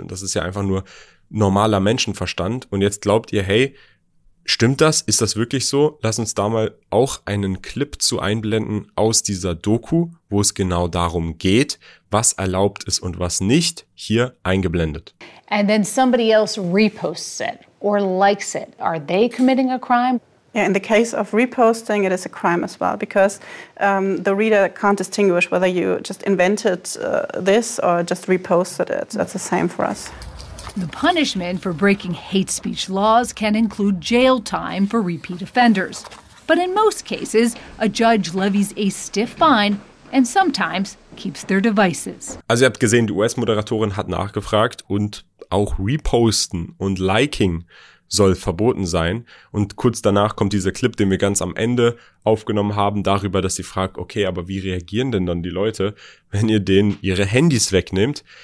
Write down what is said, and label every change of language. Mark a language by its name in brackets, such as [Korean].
[German] Und das ist ja einfach nur normaler Menschenverstand. Und jetzt glaubt ihr, hey, stimmt das? Ist das wirklich so? Lass uns da mal auch einen Clip zu einblenden aus dieser Doku, wo es genau darum geht, was erlaubt ist und was nicht, hier eingeblendet. [English] And then somebody else reposts it or likes it. Are they committing a crime? Yeah, in the case of reposting, it is a crime as well, because the reader can't distinguish whether you just invented this or just reposted it. That's the same for us. The punishment for breaking hate speech laws can include jail time for repeat offenders. But in most cases, a judge levies a stiff fine and sometimes keeps their devices. [German] Also ihr habt gesehen, die US-Moderatorin hat nachgefragt und auch reposten und liking soll verboten sein. Und kurz danach kommt dieser Clip, den wir ganz am Ende aufgenommen haben, darüber, dass sie fragt, okay, aber wie reagieren denn dann die Leute, wenn ihr denen ihre Handys wegnehmt?